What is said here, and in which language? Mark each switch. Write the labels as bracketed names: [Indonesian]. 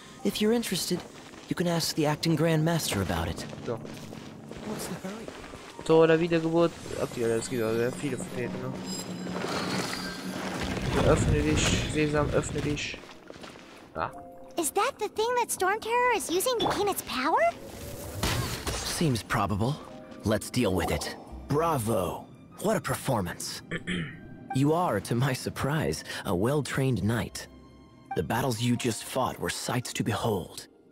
[English] If you're interested, you can ask the acting Grand Master about it. So. What's the hurry? [German] Tor der Wiedergeburt. Okay, das gibt aber viele von denen, ne? Öffne dich, Sesam, öffne dich. Ah. [English] Is that the thing that Storm Terror is using to gain its power? Seems probable. Let's deal with it. Bravo! What a performance! You are, to my surprise, a well-trained knight. The battles you just fought were sights to behold.